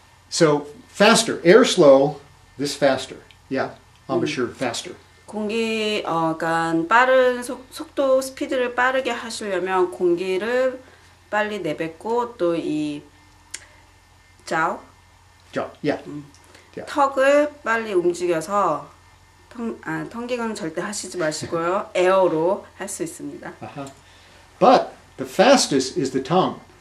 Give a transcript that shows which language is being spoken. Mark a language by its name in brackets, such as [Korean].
[English] So faster, air slow, this faster. Yeah, embouchure faster. [Korean] 공기 약간 빠른 속도 스피드를 빠르게 하시려면 공기를 빨리 내뱉고 또 이 [English] jaw, yeah. [Korean] 턱을 빨리 움직여서 턴깅은 절대 하시지 마시고요. 에어로 할 수 있습니다. [English] But the fastest is the tongue.